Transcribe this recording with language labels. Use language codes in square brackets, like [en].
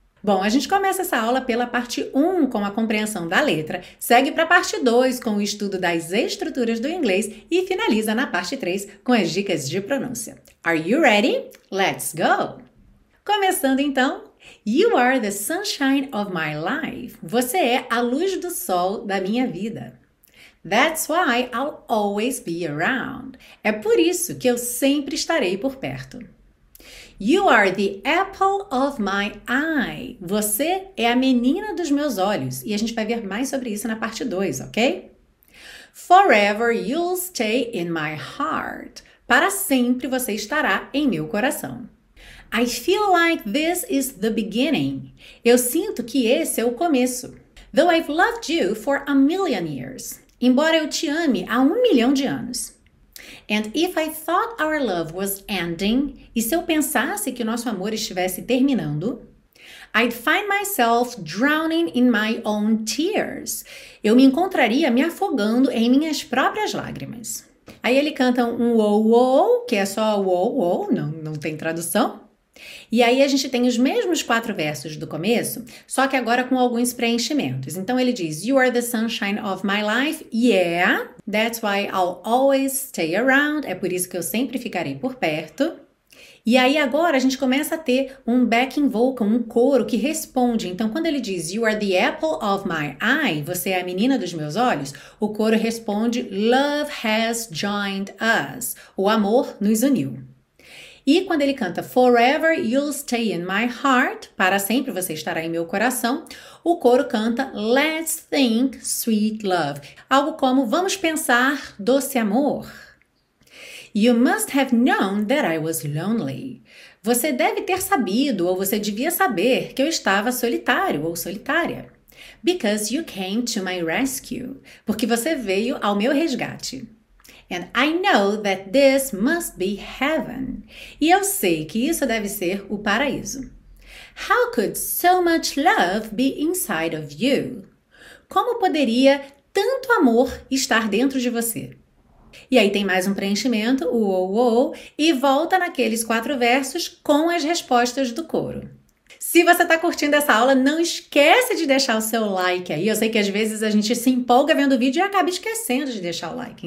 [pt] Bom, a gente começa essa aula pela parte 1, com a compreensão da letra, segue para a parte 2, com o estudo das estruturas do inglês, e finaliza na parte 3, com as dicas de pronúncia. [en] Are you ready? Let's go! [pt] Começando então, [en] You are the sunshine of my life. [pt] Você é a luz do sol da minha vida. [en] That's why I'll always be around. [pt] É por isso que eu sempre estarei por perto. [en] You are the apple of my eye. [pt] Você é a menina dos meus olhos. E a gente vai ver mais sobre isso na parte 2, ok? [en] Forever you'll stay in my heart. [pt] Para sempre você estará em meu coração. [en] I feel like this is the beginning. [pt] Eu sinto que esse é o começo. [en] Though I've loved you for a million years. [pt] Embora eu te ame há 1 milhão de anos. [en] And if I thought our love was ending, [pt] e se eu pensasse que o nosso amor estivesse terminando, [en] I'd find myself drowning in my own tears. [pt] Eu me encontraria me afogando em minhas próprias lágrimas. Aí ele canta um wow, que é só wow, não tem tradução. E aí a gente tem os mesmos quatro versos do começo, só que agora com alguns preenchimentos. Então ele diz: [en] You are the sunshine of my life. Yeah, that's why I'll always stay around. [pt] É por isso que eu sempre ficarei por perto. E aí agora a gente começa a ter um backing vocal, um coro que responde. Então quando ele diz: [en] You are the apple of my eye, [pt] você é a menina dos meus olhos, o coro responde: [en] Love has joined us. [pt] O amor nos uniu. E quando ele canta [en] Forever you'll stay in my heart, [pt] para sempre você estará em meu coração, o coro canta [en] Let's think sweet love, [pt] algo como vamos pensar doce amor. [en] You must have known that I was lonely. [pt] Você deve ter sabido, ou você devia saber, que eu estava solitário ou solitária. [en] Because you came to my rescue, [pt] porque você veio ao meu resgate. [en] And I know that this must be heaven. [pt] E eu sei que isso deve ser o paraíso. [en] How could so much love be inside of you? [pt] Como poderia tanto amor estar dentro de você? E aí tem mais um preenchimento, o, e volta naqueles quatro versos com as respostas do coro. Se você está curtindo essa aula, não esquece de deixar o seu like aí. Eu sei que às vezes a gente se empolga vendo o vídeo e acaba esquecendo de deixar o like.